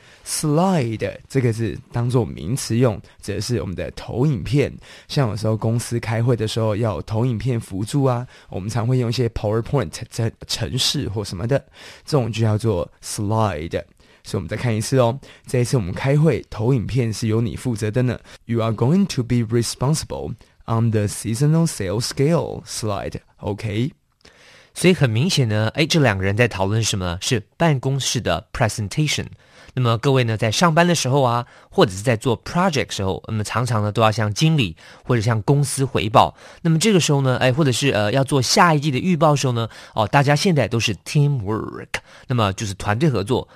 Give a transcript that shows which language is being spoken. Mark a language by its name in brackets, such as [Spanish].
[Chinese] Slide 这个字当作名词用，指的是我们的投影片。像有时候公司开会的时候要有投影片辅助啊，我们常会用一些 PowerPoint 程式或什么的，这种就叫做 slide。所以我们再看一次哦，这一次我们开会投影片是由你负责的呢。 [English] You are going to be responsible on the seasonal sales scale slide, OK? [Chinese] 所以很明显呢，哎，这两个人在讨论什么？是办公室的 presentation。那么各位呢，在上班的时候啊，或者是在做 project 时候，那么常常呢都要向经理或者向公司回报。那么这个时候呢，哎，或者是要做下一季的预报的时候呢，哦，大家现在都是 teamwork， 那么就是团队合作。